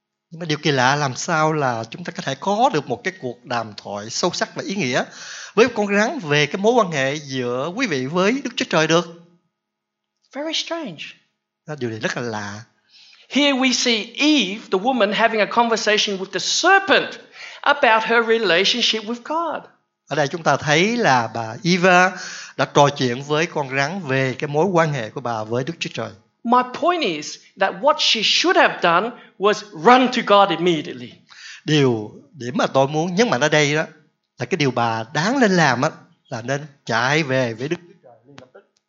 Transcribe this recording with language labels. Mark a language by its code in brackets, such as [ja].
[vi] Nhưng mà điều kỳ lạ làm sao là chúng ta có thể có được một cái cuộc đàm thoại sâu sắc và ý nghĩa với con rắn về cái mối quan hệ giữa quý vị với Đức Chúa Trời được. [en] Very strange. [vi] Điều này rất là lạ. [en] Here we see Eve, the woman, having a conversation with the serpent about her relationship with God. [vi] Ở đây chúng ta thấy là bà Eva đã trò chuyện với con rắn về cái mối quan hệ của bà với Đức Chúa Trời. [en] My point is that what she should have done was run to God immediately. [vi] Điểm mà tôi muốn nhấn mạnh ở đây đó là cái điều bà đáng nên làm đó, là nên chạy về với Đức Chúa Trời ngay lập tức.